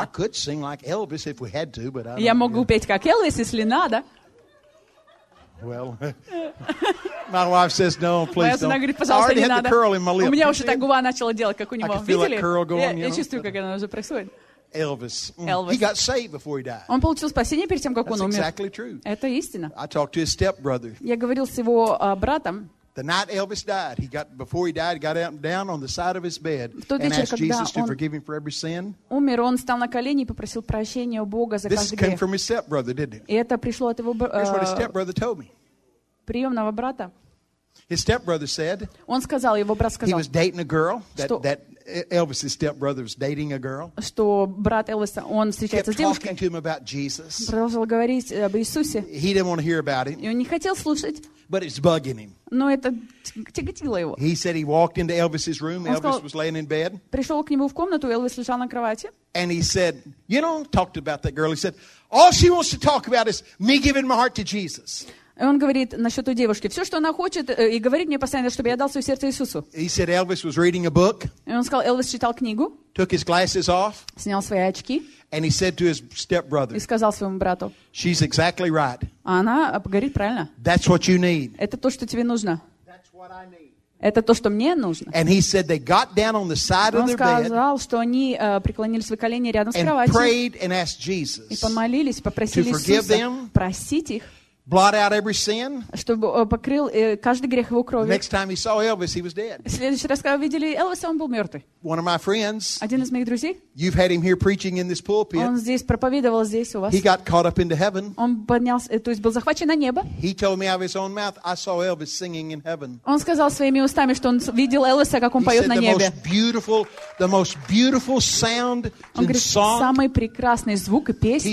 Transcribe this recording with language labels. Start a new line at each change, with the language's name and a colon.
English: I could sing like Elvis if we had to, but I don't.
Russian: Я могу петь как Элвис, если надо.
English: Well, my wife says no, please don't.
Russian: Моя жена говорит, пожалуйста, не надо.
English: Curl in my lip.
Russian: У меня уже так губа начала делать, как у него.
English: I can feel
Russian: видели?
English: That curl going,
Russian: я чувствую, как она уже прессует.
English: Elvis.
Russian: Elvis.
English: He got saved before he died.
Russian: Он получил спасение перед тем, как
English: That's
Russian: он умер.
English: Exactly true.
Russian: Это истина.
English: I talked to his stepbrother.
Russian: Я говорил с его братом.
English: The night Elvis died, he got out down on the side of his bed and asked Jesus to forgive him for every sin.
Russian: Умер, он встал на колени и попросил прощения у Бога за каждый грех.
English: This came from his stepbrother, didn't it?
Russian: И это пришло от его
English: Here's what his stepbrother told me.
Russian: Приемного брата.
English: His stepbrother said.
Russian: Он сказал, его брат сказал.
English: He was dating a girl that Elvis's stepbrother was dating a girl.
Russian: Что брат Элвиса, он встречается с девушкой.
English: Talking to him about Jesus.
Russian: Продолжал говорить об Иисусе.
English: He didn't want to hear about it.
Russian: И он не хотел слушать.
English: But it's bugging him.
Russian: Но это тяготило его.
English: He said he walked into Elvis's room.
Russian: Он
English: Elvis
Russian: сказал,
English: was laying in bed.
Russian: Пришел к нему в комнату, Элвис лежал на кровати.
English: And he said, you know, talked about that girl. He said, all she wants to talk about is me giving my heart to Jesus.
Russian: И он говорит насчет той девушки. Все, что она хочет, и говорит мне постоянно, чтобы я дал свое сердце Иисусу.
English: He said Elvis was reading a book.
Russian: И он сказал, Элвис читал книгу.
English: Took his glasses off.
Russian: Снял свои очки.
English: And he said to his stepbrother.
Russian: И сказал своему брату.
English: She's exactly right.
Russian: Она говорит правильно.
English: That's what you need.
Russian: Это то, что тебе нужно.
English: That's what I need.
Russian: Это то, что мне нужно.
English: And he said they got down on the side
Russian: Он
English: of their
Russian: сказал,
English: bed,
Russian: что они преклонили свои колени рядом с кроватью.
English: And prayed and asked Jesus.
Russian: И помолились, попросили
English: to forgive them,
Russian: Иисуса простить их.
English: Blot out every sin.
Russian: Чтобы покрыл каждый грех его кровью.
English: Next time he saw Elvis, he was dead.
Russian: Следующий раз, когда видели Элвиса, он был мертвый.
English: One of my friends.
Russian: Один из моих друзей.
English: You've had him here preaching in this pulpit.
Russian: Он здесь проповедовал здесь у вас.
English: He got caught up into heaven.
Russian: Он поднялся, то есть был захвачен на небо.
English: He told me out of his own mouth, I saw Elvis singing in heaven.
Russian: Он сказал своими устами, что он видел Элвиса, как он поет на небе.
English: He said the most beautiful sound and song.
Russian: Он говорит, самый прекрасный звук и песня.